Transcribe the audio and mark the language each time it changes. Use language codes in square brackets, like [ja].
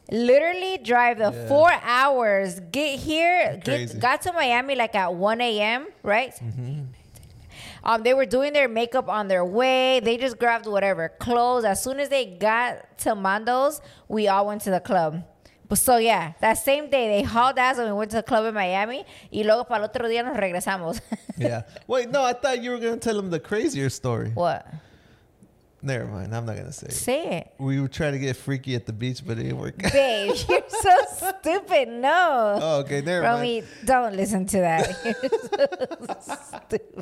[en] literally drive the 4 hours, get here, got to Miami like at 1 a.m., right? Mm-hmm. They were doing their makeup on their way. They just grabbed whatever clothes. As soon as they got to Mando's, we all went to the club. But so, yeah, that same day, they hauled ass and we went to the club in Miami. [es] Y luego, para el otro día, nos regresamos. [en] Yeah. Wait, no, I thought you were going to tell them the crazier story. What? Never mind. I'm not going to say it. Say it. We were trying to get freaky at the beach, but it didn't work. Babe, you're so stupid. No. Oh, okay. Never Romy, mind. Romy, don't listen to that. You're so stupid.